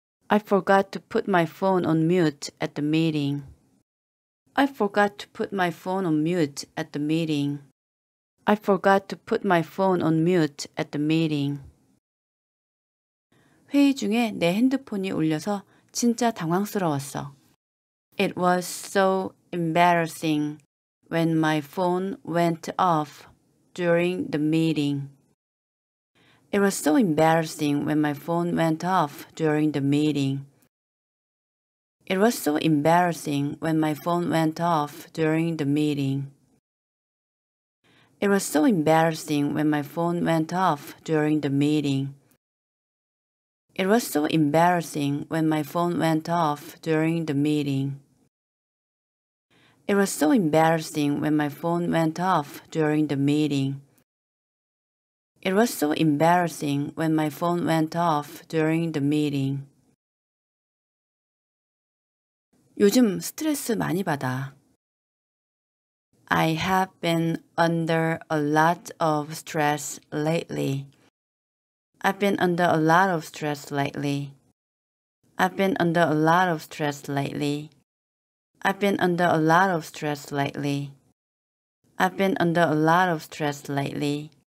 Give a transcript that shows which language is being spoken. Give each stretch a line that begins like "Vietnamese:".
English: I forgot to put my phone on mute at the meeting. I forgot to put my phone on mute at the meeting. I forgot to put my phone on mute at the meeting.
Korean: 회의 중에 내 핸드폰이 울려서 진짜 당황스러웠어.
English: It was so embarrassing when my phone went off during the meeting. It was so embarrassing when my phone went off during the meeting. It was so embarrassing when my phone went off during the meeting. It was so embarrassing when my phone went off during the meeting. It was so embarrassing when my phone went off during the meeting. It was so embarrassing when my phone went off during the meeting. It was so embarrassing when my phone went off during the meeting.
Korean: 요즘 스트레스 많이 받아.
English: I have been under a lot of stress lately. I've been under a lot of stress lately. I've been under a lot of stress lately. I've been under a lot of stress lately. I've been under a lot of stress lately.